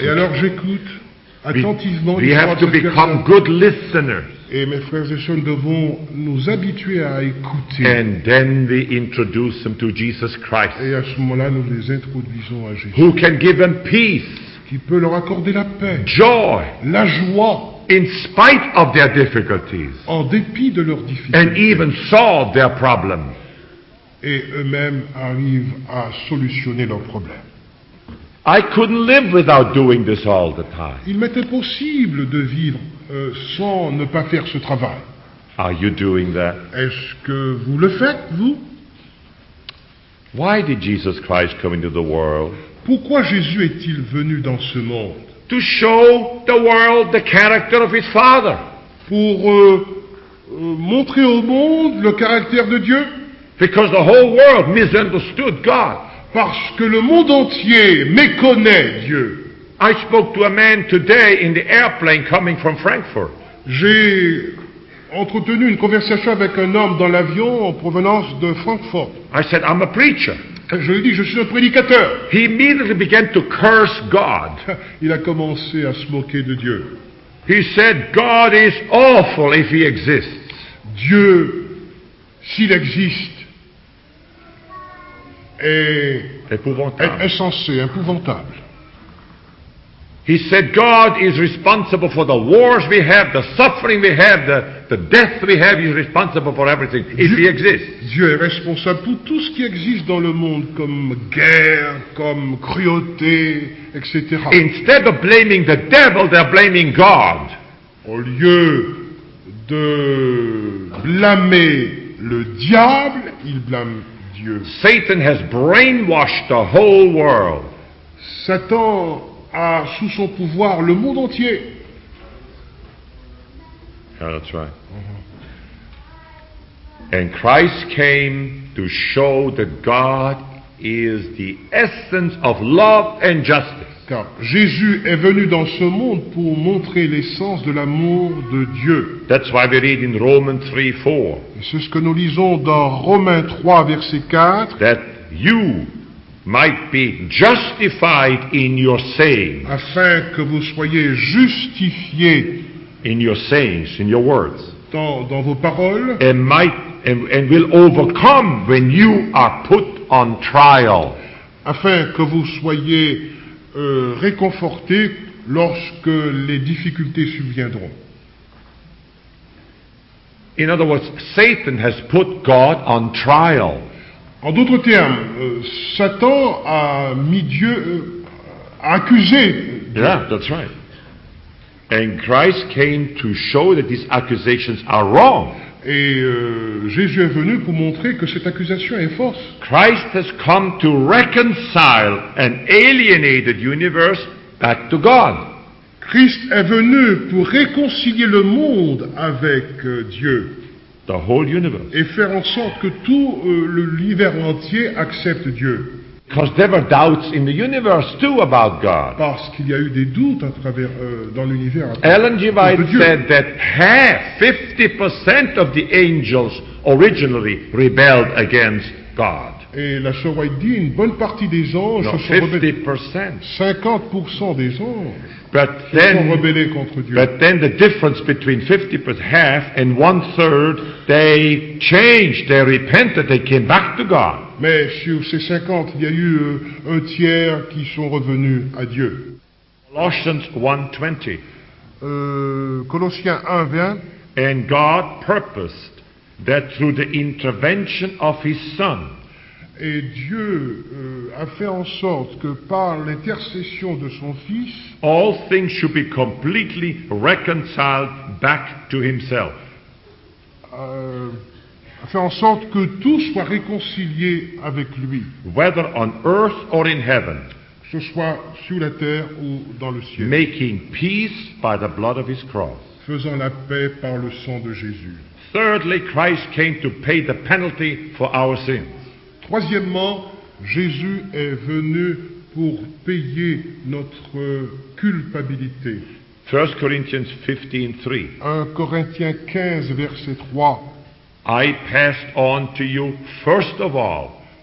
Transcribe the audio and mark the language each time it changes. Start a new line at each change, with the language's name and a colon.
French: Et alors j'écoute.
English: We have to become good listeners.
French: Et mes frères et sœurs, devons nous habituer à écouter.
English: And then we introduce them to Jesus Christ.
French: Et à ce moment-là, nous les introduisons à Jésus.
English: Who can give them peace?
French: Qui peut leur accorder la paix?
English: Joy.
French: La joie.
English: In spite of their difficulties.
French: En dépit de leurs difficultés.
English: And even solve their problems.
French: Et eux-mêmes arrivent à solutionner leurs problèmes.
English: I couldn't live without doing this all the time.
French: Il m'est impossible de vivre sans ne pas faire ce travail.
English: Are you doing that?
French: Est-ce que vous le faites, vous?
English: Why did Jesus Christ come into the world?
French: Pourquoi Jésus est-il venu dans ce monde?
English: To show the world the character of his Father.
French: Pour montrer au monde le caractère de Dieu.
English: Because the whole world misunderstood God.
French: Parce que le monde entier méconnaît Dieu.
English: I spoke to a man today in the airplane coming from Frankfurt.
French: J'ai entretenu une conversation avec un homme dans l'avion en provenance de Francfort.
English: I said, I'm a preacher.
French: Je lui dis, je suis un prédicateur.
English: He immediately began to curse God.
French: Il a commencé à se moquer de Dieu.
English: He said, God is awful if he exists.
French: Dieu, s'il existe, est insensé, épouvantable.
English: He said God is responsible for the wars we have, the suffering we have, the death we have. He's responsible for everything if he exists.
French: Dieu est responsable pour tout ce qui existe dans le monde, comme guerre, comme cruauté, etc.
English: Instead of blaming the devil, they're blaming God.
French: Au lieu de blâmer le diable, il blâme Dieu.
English: Satan has brainwashed the whole world.
French: Satan a sous son pouvoir le monde entier.
English: Yeah, that's right. And Christ came to show that God is the essence of love and justice.
French: Car Jésus est venu dans ce monde pour montrer l'essence de l'amour de Dieu.
English: That's why we read in Romans 3, 4.
French: Et c'est ce que nous lisons dans Romains 3, verset 4.
English: That you might be justified in your saying.
French: Afin que vous soyez justifiés.
English: In your sayings, in your words.
French: Dans vos paroles.
English: And will overcome when you are put on trial.
French: Afin que vous soyez réconforté lorsque les difficultés surviendront.
English: In other words, Satan has put God on trial.
French: En d'autres termes, Satan a mis Dieu accusé.
English: Yeah, that's right.
French: And Christ came to show that these accusations are wrong.
English: Et Jésus est venu pour montrer que cette accusation est fausse.
French: Christ has come to reconcile an alienated universe back to God. Christ est venu pour réconcilier le monde avec Dieu.
English: The whole universe.
French: Et faire en sorte que tout l'univers entier accepte Dieu.
English: Because there were doubts in the universe too about God.
French: Parce qu'il y a eu des doutes à travers dans l'univers.
English: Ellen G. White said that half, 50% of the angels originally rebelled against God.
French: Et la sœur White dit une bonne partie des anges se sont rebellés. 50%. 50% des anges.
English: But then, the difference between 50% half and one third, they changed, they repented, they came back to God.
French: Mais sur ces 50, il y a eu un tiers qui sont revenus à Dieu. Colossiens 1:20. Colossiens 1:20.
English: And God purposed that through the intervention of His Son.
French: Et Dieu a fait en sorte que par l'intercession de son Fils,
English: all things should be completely reconciled back to himself.
French: A fait en sorte que tout soit réconcilié avec lui.
English: Whether on earth or in heaven.
French: Que ce soit sur la terre ou dans le ciel.
English: Making peace by the blood of his cross.
French: Faisant la paix par le sang de Jésus.
English: Thirdly, Christ came to pay the penalty for our sins.
French: Troisièmement, Jésus est venu pour payer notre culpabilité. 1 Corinthiens 15:3. 1 Corinthiens 15, verset 3.
English: I passed on to you first of all.